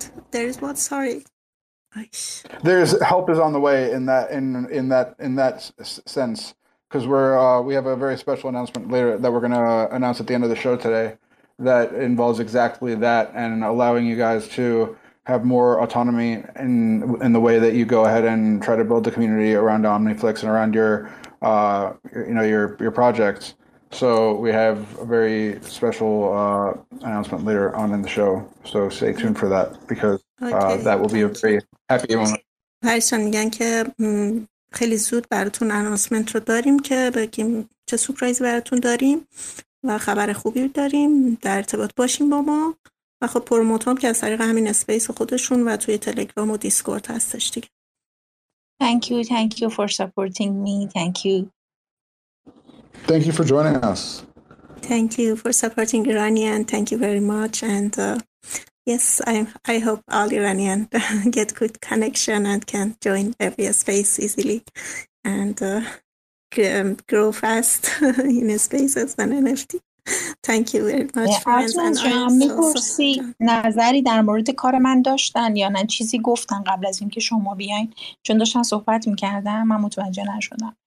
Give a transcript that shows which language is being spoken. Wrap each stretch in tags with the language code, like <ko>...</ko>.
<en>There's help is on the way in that sense, because we have a very special announcement later that we're going to announce at the end of the show today that involves exactly that and allowing you guys to have more autonomy in the way that you go ahead and try to build the community around OmniFlix and around your projects. So we have a very special announcement later on in the show. So stay tuned for that, because that will be a very happy moment.</en> <fa>پرشان میگن که خیلی زود براتون انانسمنت رو داریم که بگیم چه سورپرایز براتون داریم و خبر خوبی داریم، در ارتباط باشیم با ما. و خب پروموت هم که از طریق همین اسپیس خودشون و توی تلگرام و دیسکورد هستش دیگه.</fa> <en>Thank you for supporting me. Thank you for joining us. Thank you for supporting Iranian. Thank you very much. And yes, I hope all Iranian get good connection and can join every space easily and grow fast in spaces and NFT. Thank you very much.</en> <fa>ارسلان جان میپرسی نظری در مورد کار من داشتن یا نه، چیزی گفتن قبل از اینکه شما بیاین؟ چون داشتن صحبت میکردن من متوجه نشدم.</fa>